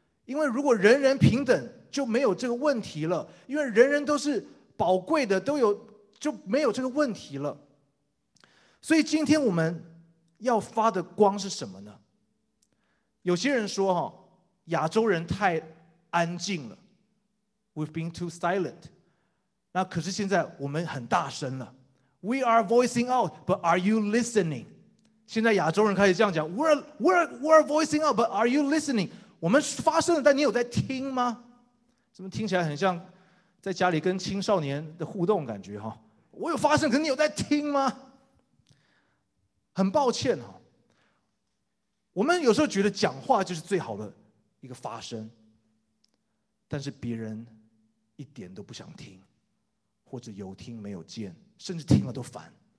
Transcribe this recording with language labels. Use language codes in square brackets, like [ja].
[zh] 因为如果人人平等就没有这个问题了，因为人人都是宝贵的，都有就没有这个问题了。所以今天我们要发的光是什么呢？有些人说，亚洲人太安静了， [en] We've been too silent。 [zh] 那可是现在我们很大声了， [en] We are voicing out, but are you listening? [zh] 现在亚洲人开始这样讲， [en] we're voicing out, but are you listening? [zh] 我们发声了，但你有在听吗？怎么听起来很像在家里跟青少年的互动感觉，我有发声，可是你有在听吗？很抱歉，我们有时候觉得讲话就是最好的一个发声，但是别人一点都不想听，或者有听没有见，甚至听了都烦。